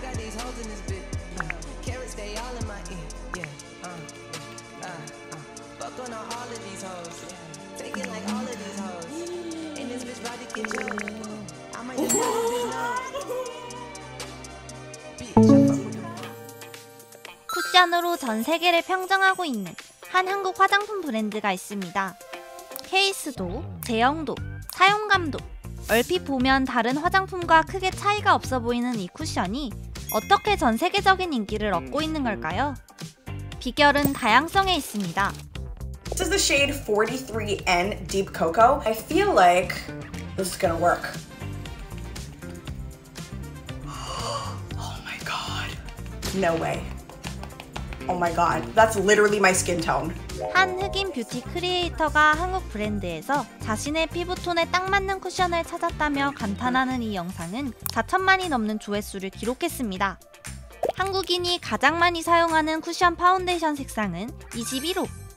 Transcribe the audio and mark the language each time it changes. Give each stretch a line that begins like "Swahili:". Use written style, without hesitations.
English: these hoes in this bitch. Yeah. Carrots, they all in my ear. Fuck on all of these hoes. Taking like all of these hoes. And this bitch about to get you. I might just have this love. Bitch.
Korean: 쿠션으로 전 세계를 평정하고 있는 한 한국 화장품 브랜드가 있습니다. 케이스도, 제형도, 사용감도, 얼핏 보면 다른 화장품과 크게 차이가 없어 보이는 이 쿠션이 어떻게 전 세계적인 인기를 얻고 있는 걸까요? 비결은 다양성에 있습니다.
English: This is the shade 43N Deep Cocoa. I feel like this is gonna work. Oh my god. No way. Oh my god, that's literally my skin tone.
Korean: 한 흑인 뷰티 크리에이터가 한국 브랜드에서 자신의 피부톤에 딱 맞는 쿠션을 찾았다며 감탄하는 이 영상은 4천만이 넘는 조회수를 기록했습니다. 한국인이 가장 많이 사용하는 쿠션 파운데이션 색상은 21호.